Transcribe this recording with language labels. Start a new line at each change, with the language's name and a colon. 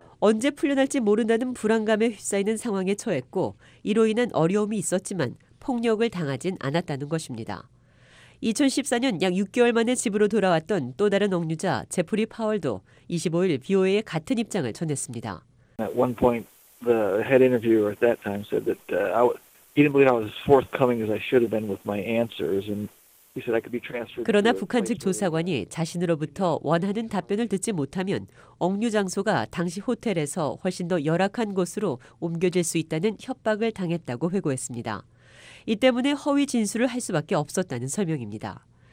Korean: 언제 풀려날지 모른다는 불안감에 휩싸이는 상황에 처했고 이로 인한 어려움이 있었지만 폭력을 당하진 않았다는 것입니다. 2014년 약 6개월 만에 집으로 돌아왔던 또 다른 억류자 제프리 파월도 25일 BOA에 같은 입장을 전했습니다.
English: At one point, the head interviewer at that time said that he didn't believe I was forthcoming as I should have been with my answers and.
Korean: 그러나 북한 측 조사관이 자신으로부터 원하는 답변을 듣지 못하면 억류 장소가 당시 호텔에서 훨씬 더 열악한 곳으로 옮겨질 수 있다는 협박을 당했다고 회고했습니다. 이 때문에 허위 진술을 할 수밖에 없었다는 설명입니다.